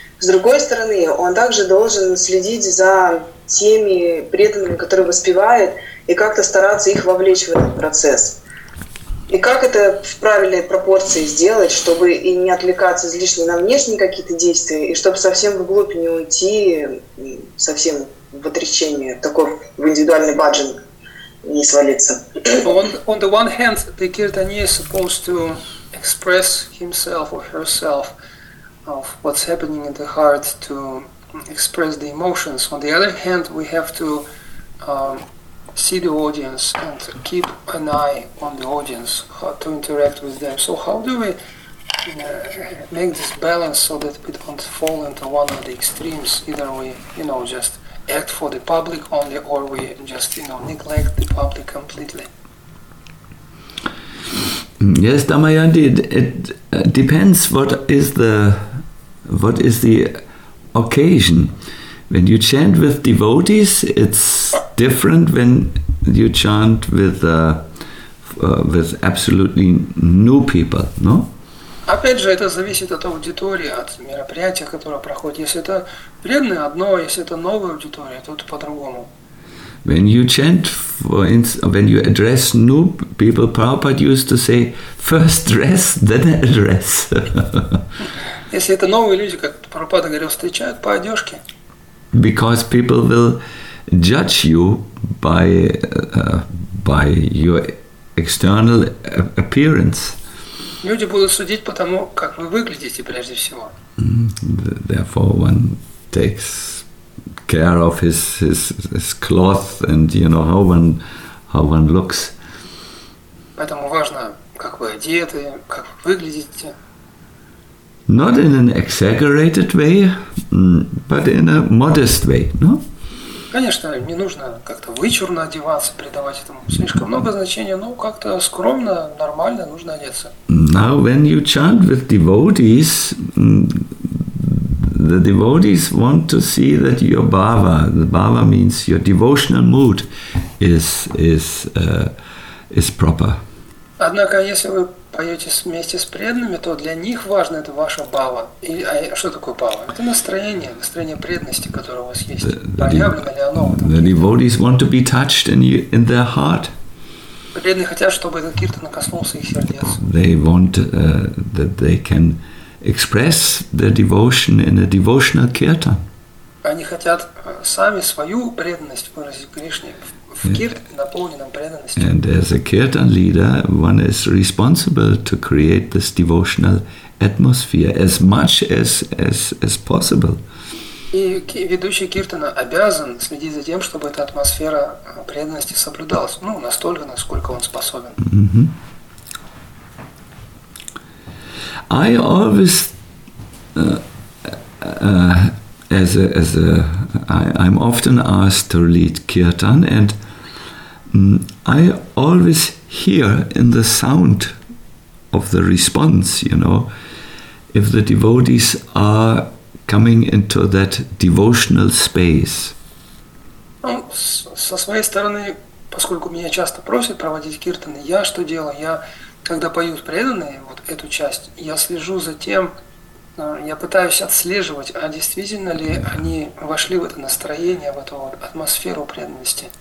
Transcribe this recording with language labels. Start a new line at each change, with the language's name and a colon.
Russian: С другой стороны, он также должен следить за теми преданными, которые воспевают, и как-то стараться их вовлечь в этот процесс. И как это в правильной пропорции сделать, чтобы и не отвлекаться излишне на внешние какие-то действия, и чтобы совсем вглубь не уйти, совсем в отречение, такой в индивидуальный баджан не свалиться.
English: On the one hand, the kirtani is supposed to express himself or herself of what's happening in the heart to express the emotions. On the other hand, we have to see the audience and keep an eye on the audience, how to interact with them. So how do we make this balance so that we don't fall into one of the extremes? Either we, you know, just act for the public only, or we just, you know, neglect the public completely. Yes, Damayanti, it depends what is the occasion. When you chant with devotees, it's different when you chant with absolutely new people, no?
Russian: Опять же, это зависит от аудитории, от мероприятия, которое проходит. Если это преданное, одно, если это новая аудитория, то это по-другому.
English: When you chant, when you address new people, Prabhupada used to say, first dress, then address.
Russian: Если это новые люди, как Прабхупада говорил, встречают по одежке.
English: Because people will judge you by your external appearance.
Russian: Люди будут судить по тому, как вы выглядите прежде всего.
English: Therefore, one takes care of his cloth and, you know, how one looks.
Russian: Поэтому важно, как вы одеты, как вы выглядите.
English: Not in an exaggerated way, but in a modest way, no?
Russian: Конечно, не нужно как-то вычурно одеваться, придавать этому слишком много значения, но как-то скромно, нормально нужно одеться.
English: Now, when you chant with devotees, the devotees want to see that your bhava, the bhava means your devotional mood, is proper.
Russian: Однако, если вы поете вместе с преданными, то для них важно это ваша бава. И, а что такое бава? Это настроение преданности, которое у вас есть. Проявлено ли оно?
English: The devotees want to be touched in their heart.
Russian: Преданные хотят, чтобы этот киртан коснулся их сердец.
English: They want that they can express their devotion in a devotional kirtan.
Russian: Они хотят сами свою преданность выразить Кришне Kirtan,
English: and as a kirtan leader, one is responsible to create this devotional atmosphere as much as possible.
Russian: И ведущий киртана обязан следить за тем, чтобы эта атмосфера преданности соблюдалась, ну, настолько, насколько он способен.
English: I always I'm often asked to lead kirtan, and I always hear in the sound of the response, you know, if the devotees are coming into that devotional space.
Russian: Со своей стороны, поскольку меня часто просят проводить киртаны, я что делаю? Я, когда поют преданные вот эту часть, я слежу за тем, я пытаюсь отслеживать, а действительно ли они вошли в это настроение, в эту вот атмосферу преданности.